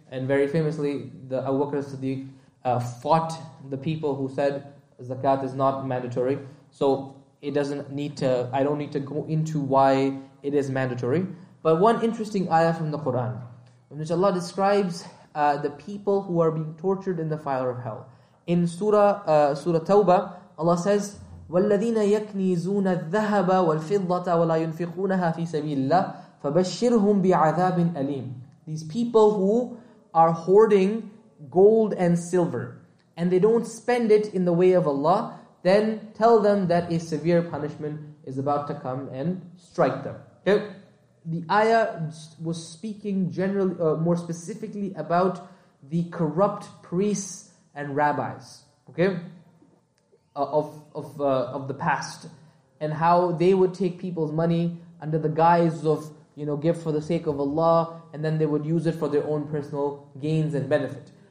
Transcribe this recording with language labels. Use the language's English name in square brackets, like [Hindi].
[English] And very famously, the Abu Bakr as-Siddiq fought the people who said zakat is not mandatory. So, it doesn't need to, I don't need to go into why it is mandatory. But one interesting ayah from the Quran, in which Allah describes the people who are being tortured in the fire of hell. [Arabic] In Surah Tawbah, Allah says, وَالَّذِينَ يَكْنِزُونَ الذَّهَبَ وَالْفِضَّةَ وَلَا يُنْفِقُونَهَا فِي سَبِيلِ اللَّهِ فَبَشِّرْهُمْ بِعَذَابٍ أَلِيمٍ. [English] These people who are hoarding gold and silver, and they don't spend it in the way of Allah, then tell them that a severe punishment is about to come and strike them. Okay? The ayah was speaking generally, more specifically about the corrupt priests and rabbis, okay, of the past, and how they would take people's money under the guise of, you know, give for the sake of Allah, and then they would use it for their own personal gains and benefit.